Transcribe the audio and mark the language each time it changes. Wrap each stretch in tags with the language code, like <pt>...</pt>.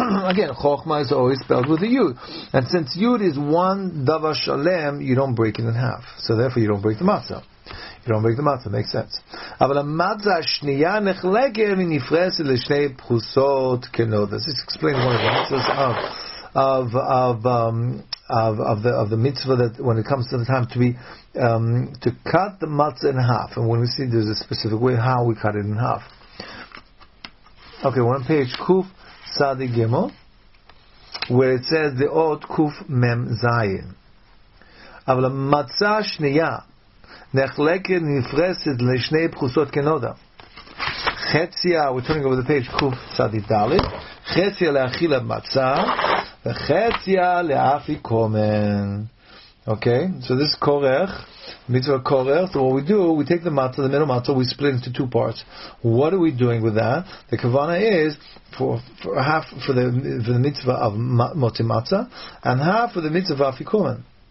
<en>Again, chokhmah is always spelled with a yud, and since yud is one davar shalem, you don't break it in half. So therefore, you don't break the matzah. You don't make the matzah, makes sense.</en> <he>אבל המצה השנייה נחלקת ונפרסת לשני פחוסות כנודס.</he> <en>This explains one of the mitzvahs of the mitzvah that when it comes to the time to cut the matzah in half. And when we see there's a specific way how we cut it in half. Okay, one page, Kuf Sadi Gimel, where it says the Ot Kuf Mem Zayin.</en> <he>אבל המצה השנייה נחלקת נפרסת לשני פחוסות כנודה. חציה,</he> <en>we're turning over the page,</en> <he>קוף צדי דלת, חציה להכיל המצה, וחציה לאפי קומן.</he> <en>Okay, so this is קורך, מצווה קורך, so what we do, we take the matzah, the middle matzah, we split into two parts. What are we doing with that? The kavana is for half for the mitzvah of moti matzah, and half for the mitzvah of afi kumen.</en>